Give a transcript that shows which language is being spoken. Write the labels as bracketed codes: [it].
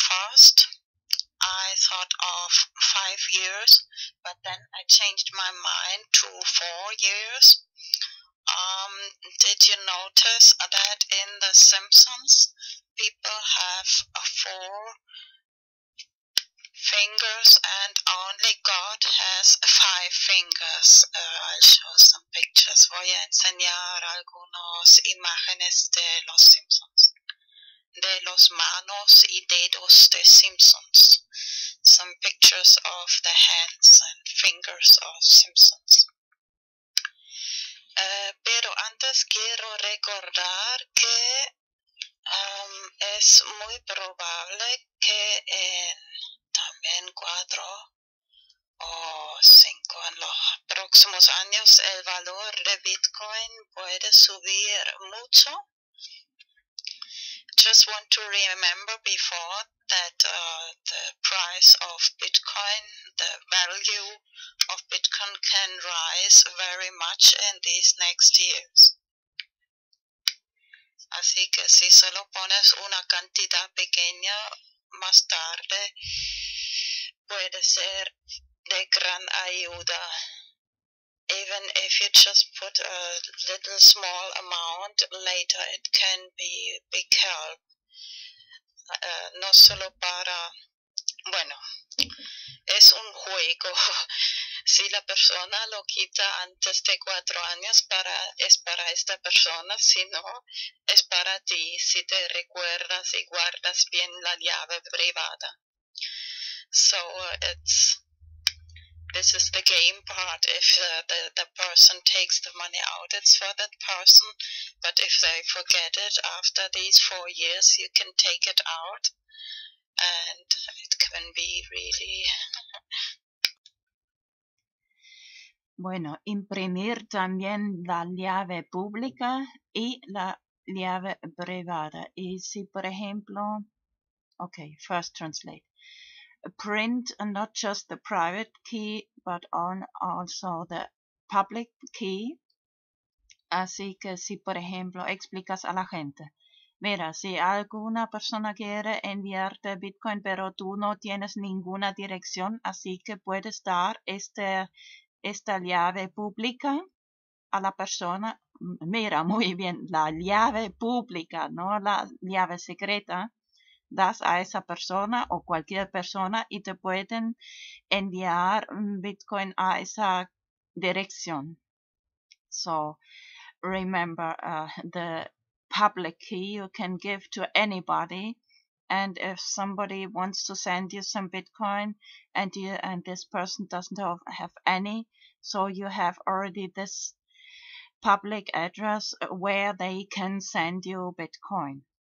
[en] First, I thought of 5 years, but then I changed my mind to 4 years. Did you notice that in The Simpsons, people have 4 fingers and only God has 5 fingers. I'll show some pictures. [es] Voy a enseñar algunas imágenes de los Simpsons. De los manos y dedos de Simpsons. [en] Some pictures of the hands and fingers of Simpsons. [es] Pero antes quiero recordar que es muy probable que en también 4 o 5 en los próximos años el valor de Bitcoin puede subir mucho. [en] Just want to remember before that the price of Bitcoin, the value of Bitcoin can rise very much in these next years. [es] Así que si solo pones una cantidad pequeña más tarde, puede ser de gran ayuda. [en] Even if you just put a little small amount, later it can be big help. [es] No solo para, bueno, es un juego. Si la persona lo quita antes de 4 años, es para esta persona. Si no, es para ti, si te recuerdas y guardas bien la llave privada. [en] So this is the game part. If the person takes the money out, it's for that person. But if they forget it after these 4 years, you can take it out. And it can be really... [es] Bueno, imprimir también la llave pública y la llave privada. Y si, por ejemplo... [en] Okay, first translate. Print not just the private key, but also the public key. [es] Así que si, por ejemplo, explicas a la gente. Mira, si alguna persona quiere enviarte Bitcoin, pero tú no tienes ninguna dirección, así que puedes dar esta llave pública a la persona. Mira, muy bien, la llave pública, no la llave secreta. Das a esa persona o cualquier persona y te pueden enviar Bitcoin a esa dirección. [en] So, remember, the public key you can give to anybody And if somebody wants to send you some Bitcoin and you, and this person doesn't have any, so you have already this public address where they can send you Bitcoin.